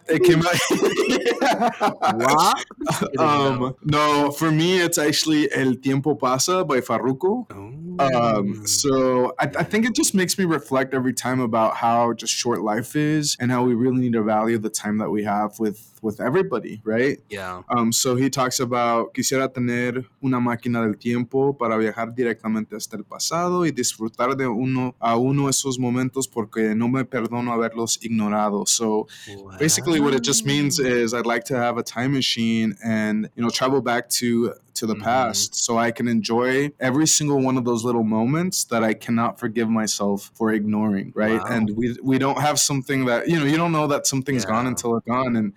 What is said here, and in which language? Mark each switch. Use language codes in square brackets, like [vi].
[en] What? No, for me, it's actually El Tiempo Pasa by Farruko. Oh. So I think it just makes me reflect every time about how just short life is and how we really need to value the time that we have with everybody, right? Yeah. So he talks about, [es] quisiera tener una máquina del tiempo para viajar directamente hasta el pasado y disfrutar de uno esos momentos porque no me perdono haberlos ignorado. [en] So basically what it just means is I'd like to have a time machine and, you know, travel back to the past so I can enjoy every single one of those little moments that I cannot forgive myself for ignoring, right? Wow. And we don't have something that, you know, you don't know that something's gone until it's gone.